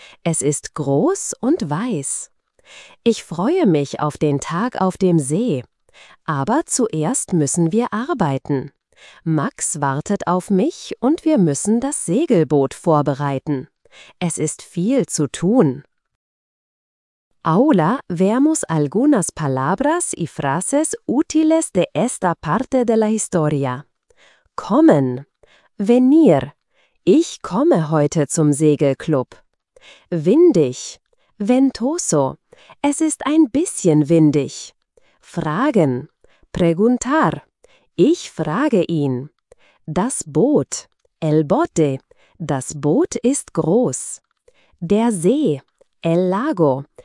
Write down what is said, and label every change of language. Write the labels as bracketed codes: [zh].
[de] Es ist groß und weiß. Ich freue mich auf den Tag auf dem See. Aber zuerst müssen wir arbeiten. Max wartet auf mich und wir müssen das Segelboot vorbereiten. Es ist viel zu tun. [es] Ahora veamos algunas palabras y frases útiles de esta parte de la historia. [de] Kommen. [es] Venir. [de] Ich komme heute zum Segelclub. Windig. [es] Ventoso. [de] Es ist ein bisschen windig. Fragen. [es] Preguntar. [de] Ich frage ihn. Das Boot. [es] El bote. [de] Das Boot ist groß. Der See. [es] El lago.